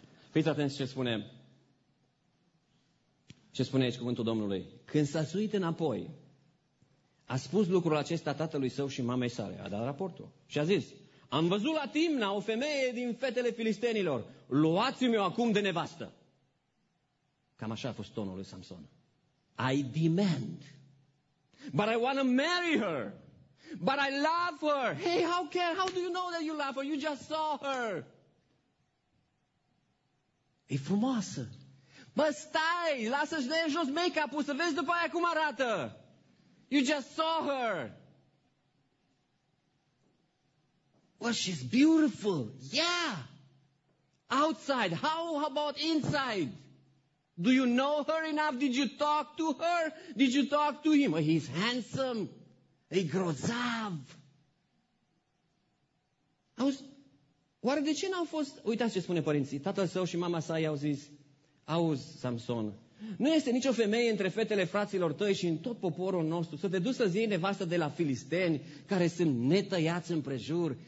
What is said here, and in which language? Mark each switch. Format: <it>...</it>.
<ro>Fiți atenți ce spune aici cuvântul Domnului. Când s-a suit înapoi, a spus lucrul acesta tatălui său și mamei sale. A dat raportul și a zis, am văzut la Timna o femeie din fetele filistenilor. Luați-mi-o acum de nevastă. Cam așa a fost tonul lui Samson.</ro> <en>I demand, but I want to marry her, but I love her. Hey, how do you know that you love her? You just saw her.</en> <ro>E frumoasă. Bă, stai, lasă-și de jos make-up-ul să vezi după aia cum arată.</ro> <en>You just saw her. Well, she's beautiful. Yeah. Outside, how about inside? Do you know her enough? Did you talk to her? Did you talk to him? He's handsome.</en> <ro>E grozav. Oare de ce n-au fost, uitați ce spune părinții, tatăl său și mama sa i-au zis, auzi, Samson, nu este nicio femeie între fetele fraților tăi și în tot poporul nostru să te duci să-ți iei nevastă de la filisteni care sunt netăiați împrejur.</ro>